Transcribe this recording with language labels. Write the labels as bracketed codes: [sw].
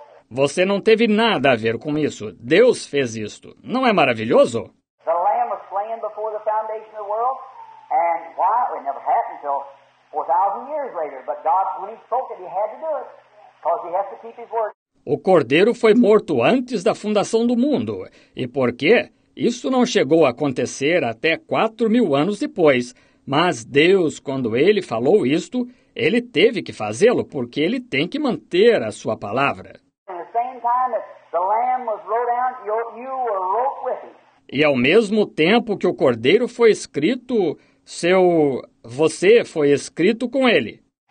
[pt] Você não teve nada a ver com isso. Deus fez isto. Não é maravilhoso? [en] The Lamb was slain before the foundation of the world, and why it never happened until 4,000 years later, but God, when He spoke it, He had to do it, because He has to keep His word. [pt] O cordeiro foi morto antes da fundação do mundo. E por quê? Isso não chegou a acontecer até 4,000 anos depois. Mas Deus, quando Ele falou isto, Ele teve que fazê-lo, porque Ele tem que manter a sua palavra. [en] And the same time that the Lamb was wrote down, you were wrote with Him. [pt] E ao mesmo tempo que o cordeiro foi escrito, você foi escrito com ele.